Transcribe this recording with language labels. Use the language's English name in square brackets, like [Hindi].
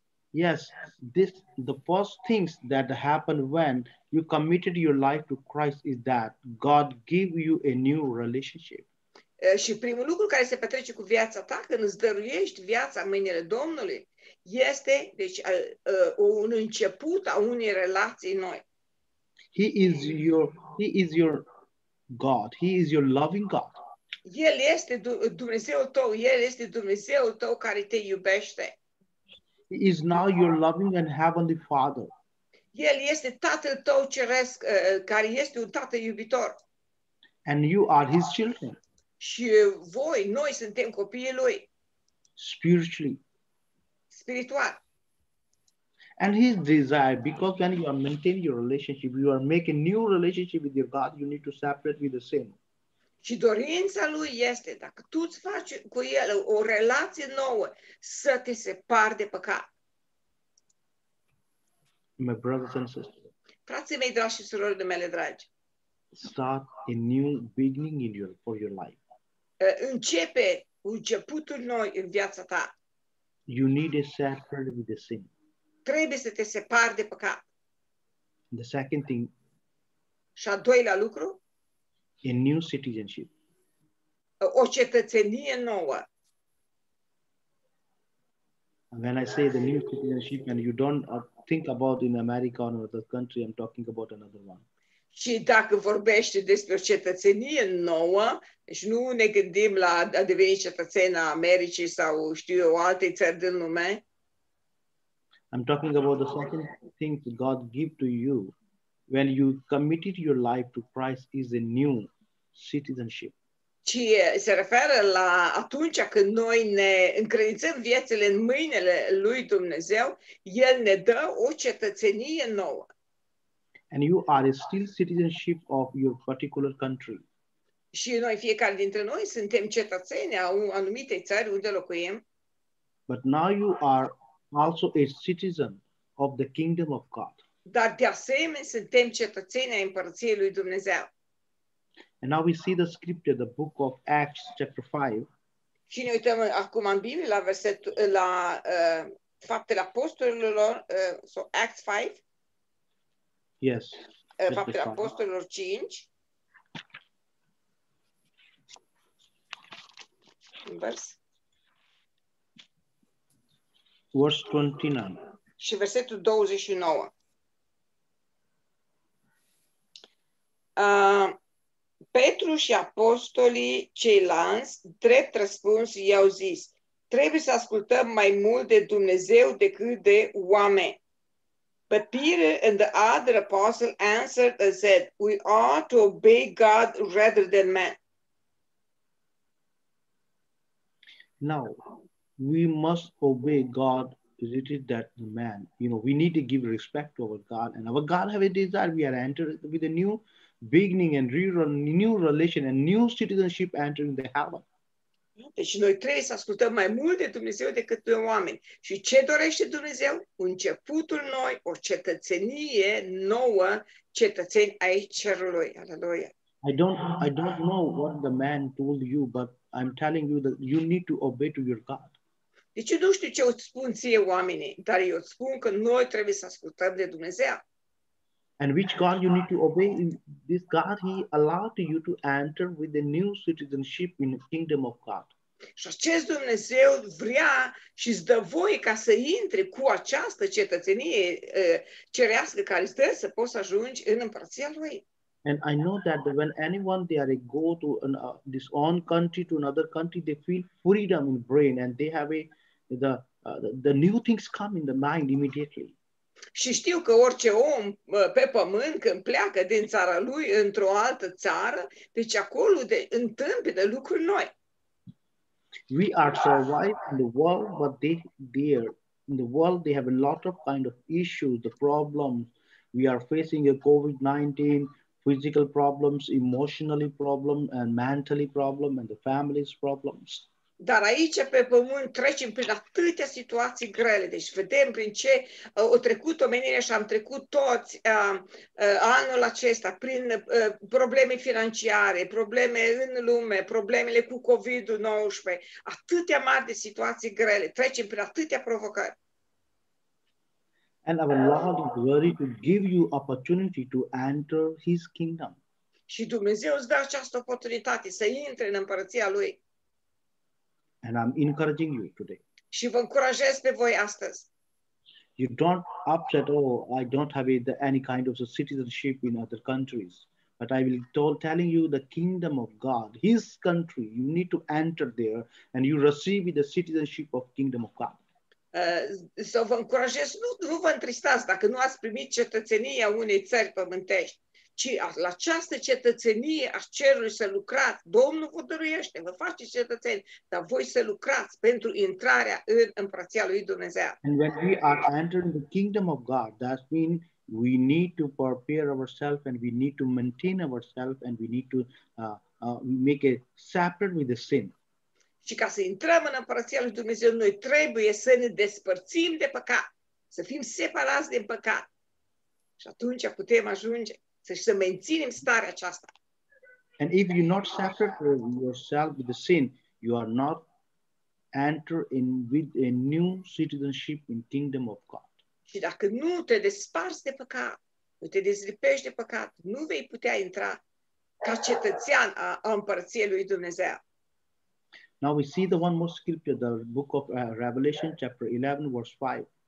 [English] Yes, this the first things that happen when you committed your life to Christ is that God gave you a new relationship. [Romanian] Și primul lucru care se petrece cu viața ta când îți dăruiești viața în mâinile Domnului este deci un început a unei relații noi. [English] He is your God. He is your loving God. [Romanian] El este Dumnezeul tău. El este Dumnezeul tău care te iubește. [English] He is now your loving and heavenly Father. [Romanian] El este Tatăl tău ceresc, care este un Tată iubitor. [English] And you are his children. [Romanian] Și voi, noi suntem copiii lui. [English] Spiritually. [Romanian] Spiritual. [English] And his desire, because when you are maintaining your relationship, you are making new relationship with your God, you need to separate with the sin. [Romanian] Și dorința lui este, dacă tu îți faci cu el o relație nouă, să te separi de păcat. [English] My brothers and sisters, [Romanian] frații mei dragi și surorile mele dragi, [English] start a new beginning in your, for your life. [Romanian] Începe începutul nou în viața ta. [English] You need a separate with the sin. [Romanian] Trebuie să te separi de păcat. [English] The second thing. [Romanian] Și a doilea lucru. [English] A new citizenship. [Romanian] O cetățenie nouă. [English] And when I say the new citizenship, and you don't think about in America or another country, I'm talking about another one. [Romanian] Și dacă vorbește despre o cetățenie nouă, deci nu ne gândim la a deveni cetățeni a Americii sau știu eu, alte țări din lume. [English] I'm talking about the second thing that God give to you when you committed your life to Christ is a new citizenship. [Romanian] Ci se referă la atunci când noi ne încredințăm viețile în mâinile lui Dumnezeu, el ne dă o cetățenie nouă. [English] And you are still citizenship of your particular country. [Romanian] Și noi fiecare dintre noi suntem cetățeni a anumitei țări unde locuim. [English] But now you are also a citizen of the kingdom of God. [Romanian] Dar de asemenea suntem cetățeni ai împărăției lui Dumnezeu. [English] And now we see the scripture, the book of Acts chapter 5. [Romanian] Și ne uităm acum în Biblie la versetul la Faptele Apostolilor, [English] so Acts 5. Yes. [Romanian] Faptele Apostolilor 5. Verse 29. Și versetul 29. Petru și apostolii ceilalți, drept răspuns, i-au zis, trebuie să ascultăm mai mult de Dumnezeu decât de oameni. [English] But Peter and the other apostle answered and said, we ought to obey God rather than men. Now, we must obey God rather than the man. You know, we need to give respect to our God, and our God have a desire. We are entered with a new beginning and new relation and new citizenship entering the heaven. [Romanian] Deci noi trebuie să ascultăm mai mult de Dumnezeu decât de oameni. Și ce dorește Dumnezeu? Începutul noi, o cetățenie nouă, cetățeni ai cerului. Aleluia. [English] I don't know what the man told you, but I'm telling you that you need to obey to your God. [Romanian] Deci eu nu știu ce îți spun ție oamenii, dar eu îți spun că noi trebuie să ascultăm de Dumnezeu. [English] And which God you need to obey? This God, he allowed you to enter with a new citizenship in the kingdom of God. [Romanian] Și acest Dumnezeu vrea și îți dă voie ca să intri cu această cetățenie cerească care îți dă să poți ajungi în împărăția lui. [English] And I know that when anyone they are go to this own country to another country, they feel freedom in brain and they have the new things come in the mind immediately. [Romanian] Și știu că orice om pe pământ când pleacă din țara lui într-o altă țară, deci acolo de întâmplă lucruri noi. [English] We are survive in the world, but they there in the world they have a lot of kind of issues, the problems we are facing, a COVID-19. physical problems, emotionally problem, and mentally problem, and the family's problems. [Romanian] Dar aici pe pământ trecem prin atâtea situații grele. Deci vedem prin ce au trecut omenirea și am trecut toți anul acesta prin probleme financiare, probleme în lume, problemele cu COVID-19. Atâtea mari de situații grele. Trecem prin atâtea provocări. [English] And our Lord is ready to give you opportunity to enter His kingdom. [Romanian] Și Dumnezeu îți dă această oportunitate să intre în împărăția Lui. [English] And I'm encouraging you today. [Romanian] Și vă încurajez pe voi astăzi. [English] You don't upset, oh, I don't have any kind of citizenship in other countries. But I will telling you the kingdom of God, His country, you need to enter there and you receive the citizenship of kingdom of God. [Romanian] Să vă încurajez, nu vă întristați dacă nu ați primit cetățenia unei țări pământești, ci la această cetățenie a cerului să lucrați. Domnul vă dăruiește, vă faceți cetățeni, dar voi să lucrați pentru intrarea în împărăția lui Dumnezeu. [English] And when we are entering the kingdom of God, that means we need to prepare ourselves and we need to maintain ourselves and we need to make it separate with the sin. [Romanian] Și ca să intrăm în împărăția lui Dumnezeu, noi trebuie să ne despărțim de păcat, să fim separați de păcat. Și atunci putem ajunge să menținem starea aceasta. [English] And if you not separate yourself with the sin, you are not enter in with a new citizenship in kingdom of God. [Romanian] Și dacă nu te desparți de păcat, nu te dezlipești de păcat, nu vei putea intra ca cetățean a împărăției lui Dumnezeu. [English] Now we see the one more scripture, the book of Revelation, chapter 11, verse 5.